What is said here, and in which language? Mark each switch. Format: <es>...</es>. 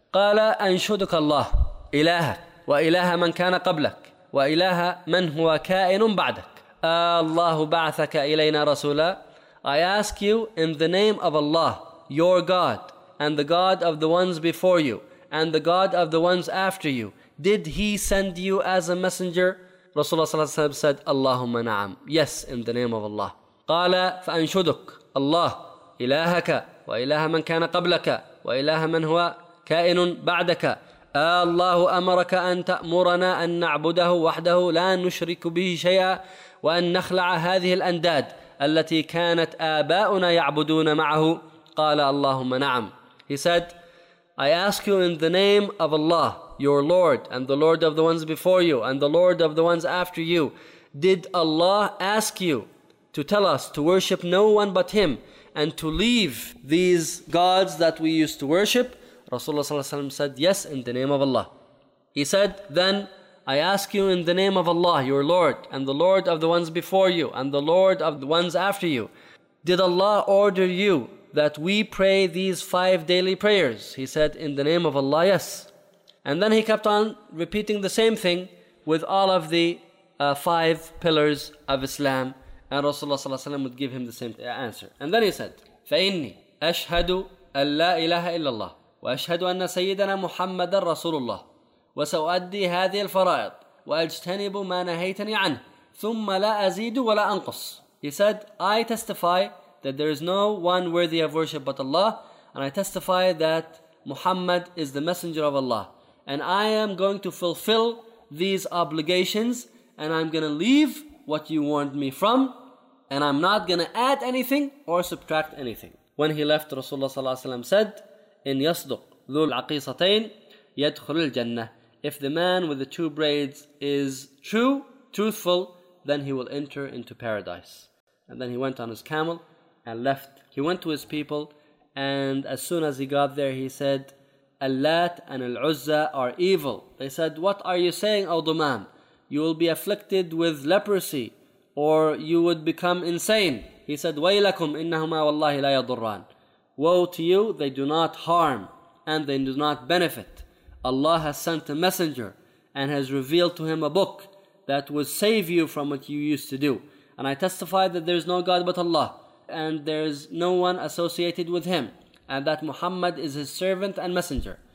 <ar>قال أنشدك الله إله وإله من كان قبلك وإله من هو كائن بعدك. الله بعثك إلينا رسولا.</ar> <en>I ask you in the name of Allah, your God, and the God of the ones before you, and the God of the ones after you, did he send you as a messenger?</en> <ar>رسول الله صلى الله عليه وسلم</ar> <en>said,</en> <ar>اللهم نعم.</ar> <en>Yes, in the name of Allah.</en> <ar>قال فأنشدك الله إلهك وإله من كان قبلك وإله من هو كائن بعدك. الله أمرك أن تأمرنا أن نعبده وحده لا نشرك به شيئا وأن نخلع هذه الأنداد التي كانت آباؤنا يعبدون معه. قال اللهم نعم.</ar> <en>He said, I ask you in the name of Allah, your Lord, and the Lord of the ones before you, and the Lord of the ones after you, did Allah ask you to tell us to worship no one but him, and to leave these gods that we used to worship? Rasulullah sallallahu alaihi wasallam said, yes, in the name of Allah. He said, then I ask you in the name of Allah, your Lord, and the Lord of the ones before you, and the Lord of the ones after you, did Allah order you that we pray these five daily prayers? He said, in the name of Allah, yes. And then he kept on repeating the same thing with all of the five pillars of Islam. And Rasulullah صلى الله عليه وسلم would give him the same answer. And then he said,</en> <ar>فَإِنِّي أَشْهَدُ أَنْ لَا إِلَهَ إِلَّا اللَّهِ وَأَشْهَدُ أَنَّ سَيِّدَنَا مُحَمَّدًا رَسُولُ اللَّهِ وَسَأُؤَدِّي هَذِهِ الْفَرَائِضِ وَأَجْتَنِبُ مَا نَهَيْتَنِي عَنْهِ ثم لا أزيد ولا أنقص.</ar> <en>He said, I testify that there is no one worthy of worship but Allah, and I testify that Muhammad is the messenger of Allah, and I am going to fulfill these obligations, and I'm going to leave what you warned me from, and I'm not going to add anything or subtract anything. When he left, Rasulullah sallallahu alaihi wasallam said,</en> <ar>إن يصدق ذو العقيصتين يدخل الجنة.</ar> <en>If the man with the two braids is true, truthful, then he will enter into paradise. And then he went on his camel and left. He went to his people, and as soon as he got there, he said, Allat and Al-Uzza are evil. They said, what are you saying, O Duman? You will be afflicted with leprosy, or you would become insane. He said,</en> <ar>وَيْلَكُمْ إِنَّهُمَا وَاللَّهِ لَا يَضُرَّانِ.</ar> <en>Woe to you, they do not harm and they do not benefit. Allah has sent a messenger and has revealed to him a book that will save you from what you used to do. And I testify that there is no God but Allah, and there is no one associated with him, and that Muhammad is his servant and messenger.</en>